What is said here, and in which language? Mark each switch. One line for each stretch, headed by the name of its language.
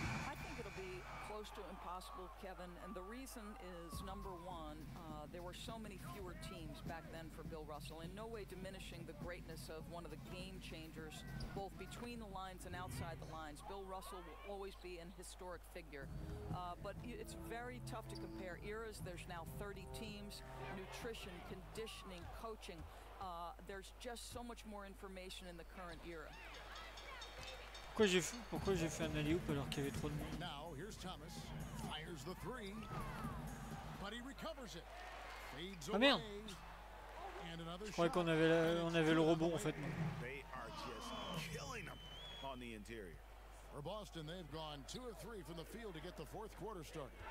English: I think it'll be close to impossible, Kevin. And the reason is, number one, there were so many fewer teams back then for Bill Russell, in no way diminishing the greatness of one of the game changers, both between the lines and outside the lines. Bill Russell will always be an historic figure. But it's very tough to compare eras. There's now 30 teams, nutrition, conditioning, coaching. There's just so much more information in the current era.
French: Pourquoi j'ai fait un alley-oop alors qu'il y avait trop de monde.
English: Now here's Thomas, fires the three, but he recovers it. Fades away.
French: Ah merde.
English: And another shot.
French: Je croyais qu'on avait le rebond en fait.
English: They are just killing them on the interior. For Boston, they've gone 2 of 3 from the field to get the fourth quarter start.